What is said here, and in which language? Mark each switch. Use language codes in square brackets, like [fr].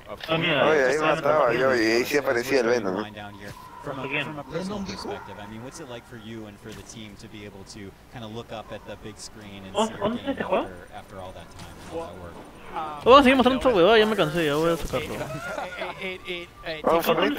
[es] Oye, ahí mataba yo y ahí sí aparecía el Venom. [en] From a personal perspective, I mean, what's it like for you and for the team to be able to kind of look up at the big screen and see your game after all that time and all that work? [es] Vamos a seguir mostrando esta huevada, ya me cansé, ya voy a sacarlo.